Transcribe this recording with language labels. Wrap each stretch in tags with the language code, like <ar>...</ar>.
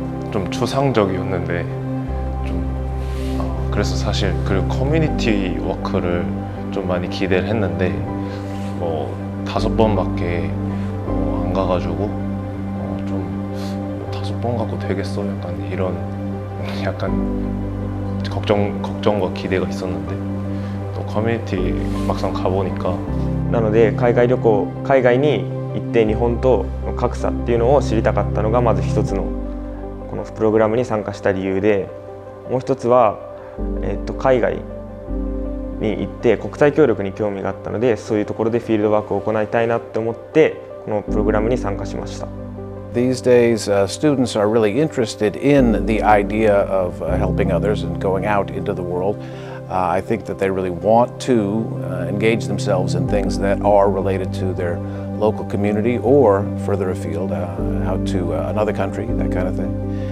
<ko>좀 추상적이었는데 좀 그래서 사실 그 커뮤니티 워크를 좀 많이 기대를 했는데 뭐 다섯 번밖에 안 가가지고 좀 다섯 번 갖고 되겠어 약간 이런 약간 걱정과 기대가 있었는데 또 커뮤니티 막상 가보니까</ko> <ja>나ので 海外 旅行 海外に 行って 日本との格差っていうのを知りたかったのが まず 1つの このプログラムに参加した理由で、もう一つは、海外に行って国際協力に興味があったので、そういうところでフィールドワークを行いたいなって思って、このプログラムに参加しました。These</ja> <en>days, students are really interested in the idea of helping others and going out into the world. I think that they really want to engage themselves in things that are related to their local community or further afield, out to another country, that kind of thing.</en>